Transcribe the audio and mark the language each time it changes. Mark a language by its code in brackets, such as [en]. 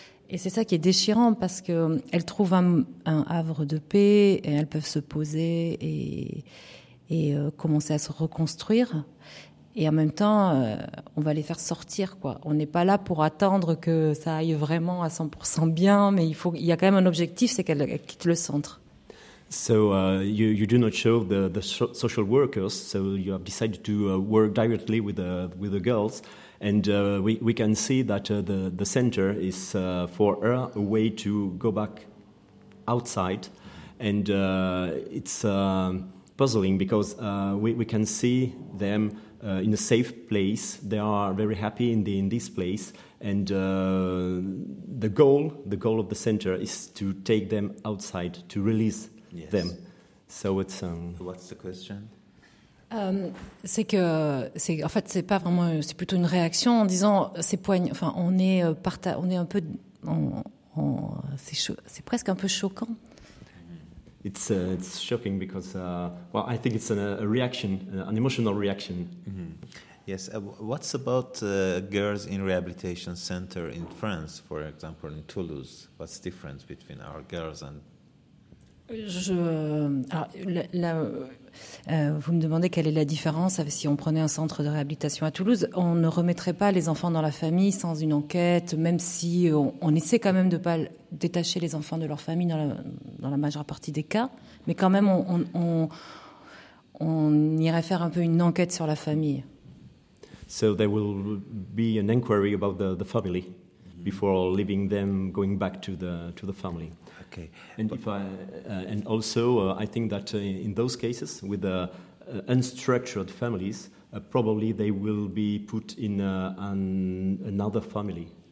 [fr] Et c'est ça qui est déchirant, parce que elles trouvent un havre de paix et elles peuvent se poser et commencer à se reconstruire. Et en même temps, on va les faire sortir, quoi. On n'est pas là pour attendre que ça aille vraiment à 100% bien, mais il y a quand même un objectif, c'est qu'elles quittent le centre. [en] So you do not show the social workers, so you have decided to work directly with the girls, and we can see that the center is for her a way to go back outside, and it's puzzling because we can see them in a safe place. They are very happy in this place, and the goal of the center is to take them outside, to release yes. them. So it's what's the question? [fr] C'est plutôt une réaction en disant c'est poignant. Enfin, c'est presque un peu choquant. [en] It's shocking because I think it's a reaction, an emotional reaction. Mm-hmm. Yes. What's about girls in rehabilitation center in France, for example, in Toulouse? What's the difference between our girls and? [fr] Vous me demandez quelle est la différence si on prenait un centre de réhabilitation à Toulouse. On ne remettrait pas les enfants dans la famille sans une enquête, même si on essaie quand même de ne pas détacher les enfants de leur famille dans la majeure partie des cas. Mais quand même, on irait faire un peu une enquête sur la famille. [en] So there will be an inquiry about the family before leaving them, going back to the family. Okay. And I think that in those cases with the unstructured families, probably they will be put in another family.